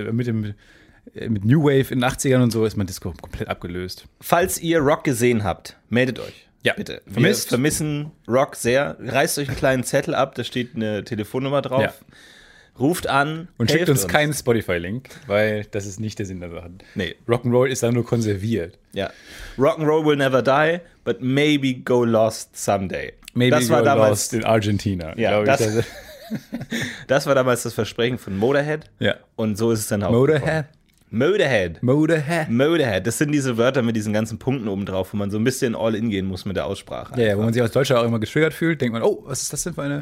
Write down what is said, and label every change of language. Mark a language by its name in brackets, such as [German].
[German] Mit New Wave in den 80ern und so ist man Disco komplett abgelöst. Falls ihr Rock gesehen habt, meldet euch. Ja, bitte. Vermisst. Wir vermissen Rock sehr. Reißt euch einen kleinen Zettel ab, da steht eine Telefonnummer drauf. Ja. Ruft an. Und schickt uns keinen Spotify-Link, weil das ist nicht der Sinn der Sache. Nee. Rock'n'Roll ist dann nur konserviert. Ja. [English] Rock'n'Roll will never die, but maybe go lost someday. Maybe das go war damals, lost in Argentina. [German] Ja, das das war damals das Versprechen von Motorhead. Ja. Und so ist es dann auch. Motorhead? Modehead. Modehead. Modehead. Das sind diese Wörter mit diesen ganzen Punkten oben drauf, wo man so ein bisschen all in gehen muss mit der Aussprache. Ja, wo man sich als Deutscher auch immer getriggert fühlt, denkt man, oh, was ist das denn für eine?